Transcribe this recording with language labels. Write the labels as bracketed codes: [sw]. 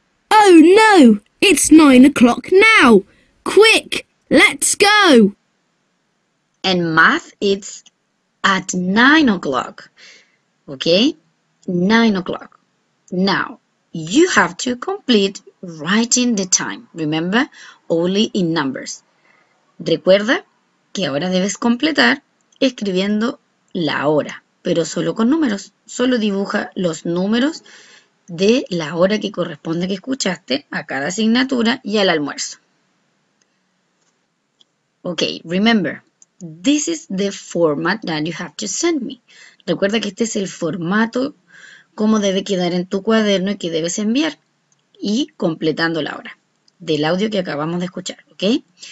[en] Oh no, it's 9 o'clock now. Quick, let's go. And math is at 9 o'clock. Okay, 9 o'clock. Now, you have to complete writing the time. Remember, only in numbers. [es] Recuerda que ahora debes completar escribiendo la hora, pero solo con números. Solo dibuja los números de la hora que corresponde que escuchaste a cada asignatura y al almuerzo. Ok, remember, this is the format that you have to send me. Recuerda que este es el formato, cómo debe quedar en tu cuaderno y que debes enviar. Y completando la hora del audio que acabamos de escuchar, ok.